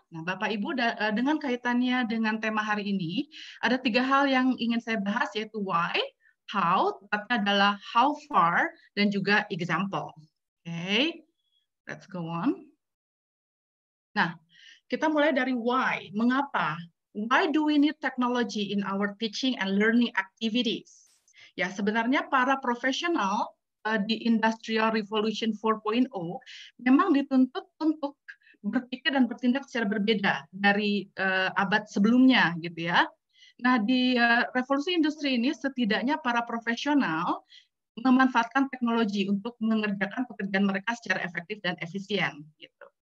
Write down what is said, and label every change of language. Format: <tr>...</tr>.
<id>Nah, Bapak Ibu, dengan kaitannya dengan tema hari ini, ada 3 hal yang ingin saya bahas, yaitu why, how, tepatnya adalah how far, dan juga example.</id> <en>Okay, let's go on.</en> <id>Nah, kita mulai dari why, mengapa.</id> <en>Why do we need technology in our teaching and learning activities?</en> <id>Ya, sebenarnya para profesional di Industrial Revolution 4.0 memang dituntut untuk berpikir dan bertindak secara berbeda dari abad sebelumnya gitu ya. Nah, di revolusi industri ini setidaknya para profesional memanfaatkan teknologi untuk mengerjakan pekerjaan mereka secara efektif dan efisien gitu.</id>